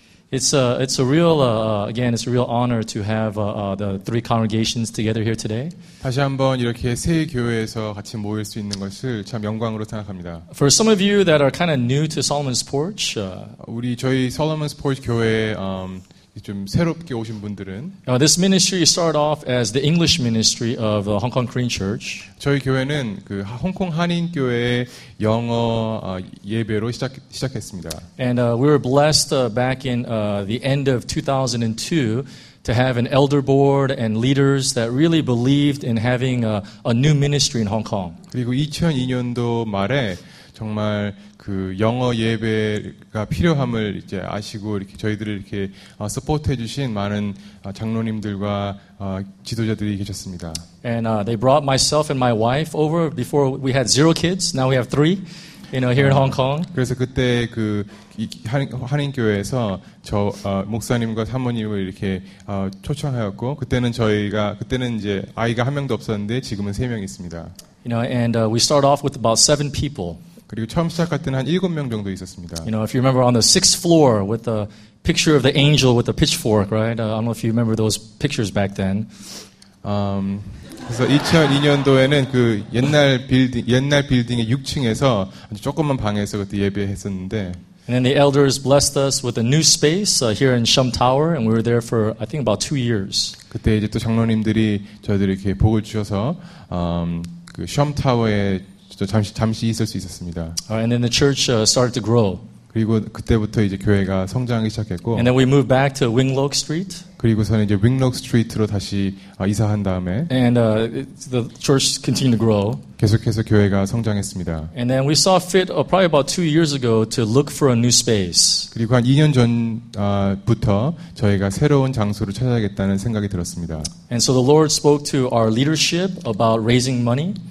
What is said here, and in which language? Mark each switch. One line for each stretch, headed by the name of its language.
English: It's a real honor to have the three congregations together here today.
Korean: 다시 한번 이렇게 세 교회에서 같이 모일 수 있는 것을 참 영광으로 생각합니다.
English: For some of you that are kind of new to Solomon's Porch,
Korean: 우리 저희 Solomon's Porch 교회 좀 새롭게 오신 분들은
English: This ministry started off as the English ministry of the Hong Kong Korean Church.
Korean: 저희 교회는 그 홍콩 한인 교회의 영어 예배로 시작했습니다.
English: And we were blessed back in the end of 2002 to have an elder board and leaders that really believed in having a new ministry in Hong Kong.
Korean: 그리고 2002년도 말에 정말 그 영어 예배가 필요함을 이제 아시고 이렇게 저희들을 이렇게 서포트해 주신 많은 장로님들과 지도자들이 계셨습니다.
English: And they brought myself and my wife over before we had zero kids. Now we have three, you know, here in Hong Kong.
Korean: 그래서 그때 그 한인교회에서 저 목사님과 사모님을 이렇게 초청하였고 그때는 이제 아이가 한 명도 없었는데 지금은 세 명이 있습니다.
English: You know, and we start off with about seven people.
Korean: 그리고 처음 시작할 때는 한 7명 정도 있었습니다.
English: You know, if you remember on the sixth floor with the picture of the angel with the pitchfork, right? I don't know if you remember those pictures back then.
Korean: 그래서 2002년도에는 그 옛날 빌딩의 6층에서 아주 조그만 방에서 그때 예배했었는데.
English: And then the elders blessed us with a new space here in Shum Tower, and we were there for I think about 2 years.
Korean: 그때 이제 또 장로님들이 저희들이 이렇게 복을 주셔서 그 Shum Tower에 잠시 있을 수 있었습니다.
English: And then the church started to grow.
Korean: 그리고 그때부터 이제 교회가 성장하기 시작했고.
English: And then we moved back to Winglock Street.
Korean: 그리고서는 이제 Winglock Street로 다시 이사한 다음에.
English: And the church continued to grow.
Korean: 계속해서 교회가 성장했습니다.
English: And then we saw fit probably about 2 years ago to look for a new space.
Korean: 그리고 한 2년 전부터 저희가 새로운 장소를 찾아야겠다는 생각이 들었습니다.
English: And so the Lord spoke to our leadership about raising money.